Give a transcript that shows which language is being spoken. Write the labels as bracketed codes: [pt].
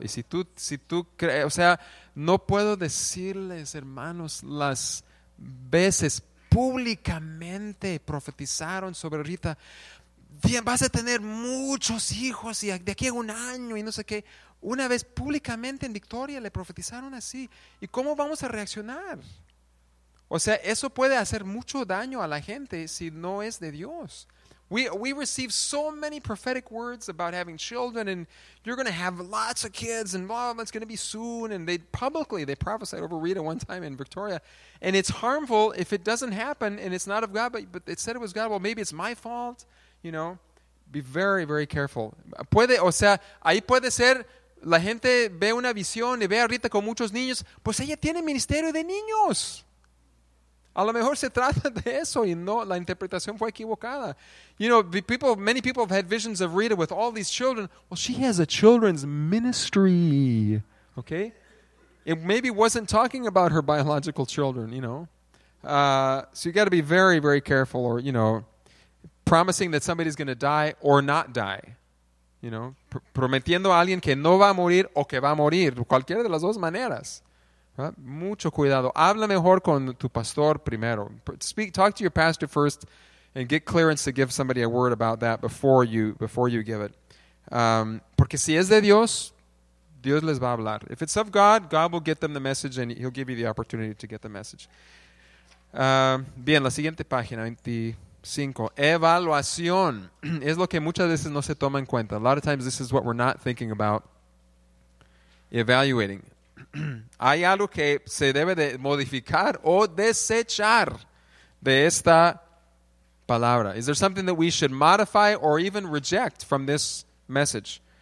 [es] Y si tú crees, o sea, no puedo decirles, hermanos, las veces públicamente profetizaron sobre Rita, vas a tener muchos hijos y de aquí a un año y no sé qué. Una vez públicamente en Victoria le profetizaron así. ¿Y cómo vamos a reaccionar? O sea, eso puede hacer mucho daño a la gente si no es de Dios. [en] We receive so many prophetic words about having children and you're going to have lots of kids and blah, blah, it's going to be soon. And they publicly prophesied over Rita one time in Victoria. And it's harmful if it doesn't happen and it's not of God, but it said it was God. Well, maybe it's my fault, you know. Be very, very careful. [es] Puede, o sea, ahí puede ser, la gente ve una visión y ve a Rita con muchos niños. Pues ella tiene ministerio de niños. A lo mejor se trata de eso y no, la interpretación fue equivocada. [en] You know, many people have had visions of Rita with all these children. Well, she has a children's ministry, okay? It maybe wasn't talking about her biological children, you know? So you got to be very, very careful or, you know, promising that somebody's going to die or not die. You know, [es] prometiendo a alguien que no va a morir o que va a morir, cualquiera de las dos maneras. ¿Verdad? Mucho cuidado. Habla mejor con tu pastor primero. [en] Talk to your pastor first and get clearance to give somebody a word about that before you give it. [es] Porque si es de Dios, Dios les va a hablar. [en] If it's of God, God will get them the message and he'll give you the opportunity to get the message. [es] Bien, la siguiente página, 25. Evaluación. Es lo que muchas veces no se toma en cuenta. [en] A lot of times this is what we're not thinking about. Evaluating. [es] Hay algo que se debe de modificar o desechar de esta palabra. [en] Is there something that we should modify or even reject from this message?